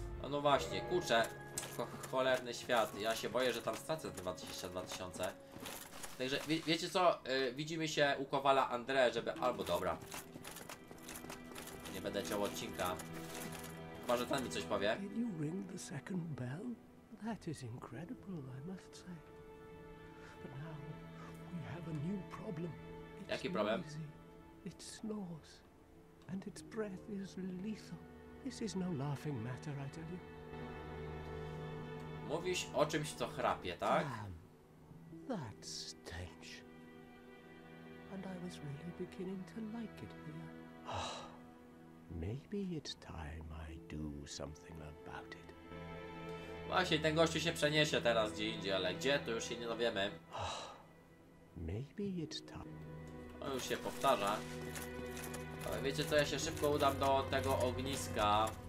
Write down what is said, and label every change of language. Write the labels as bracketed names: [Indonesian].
[Polish] No właśnie, kurczę, cholerny świat. Ja się boję, że tam stracę 22 tysiące. Także wiecie co, widzimy się u kowala André, żeby... Albo dobra. Nie będę ciął odcinka. Chyba, że ten mi coś powie. [English] Did you ring the second bell? That is incredible, I must say. But now we have a new problem. It's [Polish] jaki problem? [English] Noisy. It snores. And its breath is lethal. This is no laughing matter, I tell you. [Polish] Mówisz o czymś, co chrapie, tak? [English] Damn. That stench. And I was really beginning to like it here. Maybe it's time I do something about it. [Polish] Właśnie, ten gościu się przeniesie teraz gdzie indziej, ale gdzie, to już się nie dowiemy. [English] Maybe it's time. [Polish] On już się powtarza. Ale wiecie co, ja się szybko udam do tego ogniska.